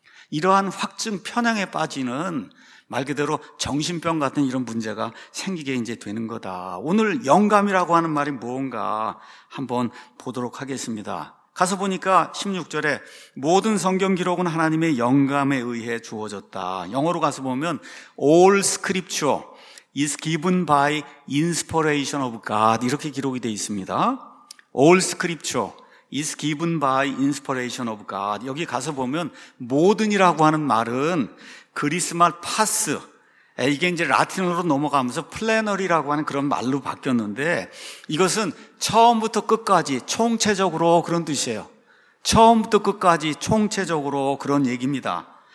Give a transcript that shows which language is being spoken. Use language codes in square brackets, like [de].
[ko] 이러한 확증 편향에 빠지는, 말 그대로 정신병 같은 이런 문제가 생기게 이제 되는 거다. 오늘 영감이라고 하는 말이 뭔가 한번 보도록 하겠습니다. 가서 보니까 16절에 모든 성경 기록은 하나님의 영감에 의해 주어졌다. 영어로 가서 보면 [en] All scripture is given by inspiration of God, [ko] 이렇게 기록이 되어 있습니다. [en] All scripture is given by inspiration of God. [ko] 여기 가서 보면 모든이라고 하는 말은 그리스 말 파스, 이게 이제 라틴어로 넘어가면서 플래너리라고 하는 그런 말로 바뀌었는데, 이것은 처음부터 끝까지 총체적으로 그런 뜻이에요. 처음부터 끝까지 총체적으로 그런 얘기입니다.